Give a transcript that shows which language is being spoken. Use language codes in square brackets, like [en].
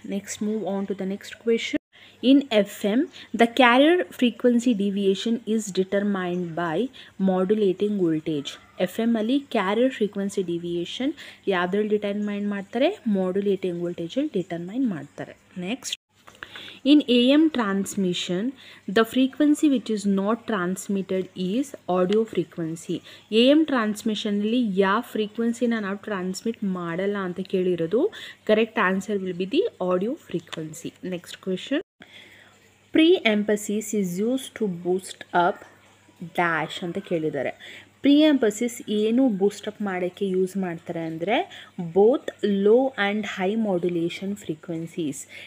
[en] Next move on to the next question. In F M the carrier frequency deviation is determined by modulating voltage. [kn] F M ಅಲ್ಲಿ carrier frequency deviation ಯಾವುದ್ರಲ್ಲಿ determine ಮಾಡ್ತಾರೆ? ಮಾಡ್ಯುಲೇಟಿಂಗ್ ವೋಲ್ಟೇಜಲ್ಲಿ determine ಮಾಡ್ತಾರೆ. [en] Next, In AM transmission, the frequency which is not transmitted is audio frequency. [kn] AM transmission ಅಲ್ಲಿ ಯಾವ ಫ್ರೀಕ್ವೆನ್ಸಿನ ನಾವು transmit ಮಾಡಲ್ಲ ಅಂತ ಕೇಳಿರೋದು. [en] Correct answer will be the audio frequency. Next question. Pre emphasis is use to boost up dash [kn] ಅಂತ ಕೇಳಿದ್ದಾರೆ. Pre emphasis ಏನು boost up ಮಾಡೋಕ್ಕೆ use ಮಾಡ್ತಾರೆ ಅಂದರೆ [en] Both low and high modulation frequencies.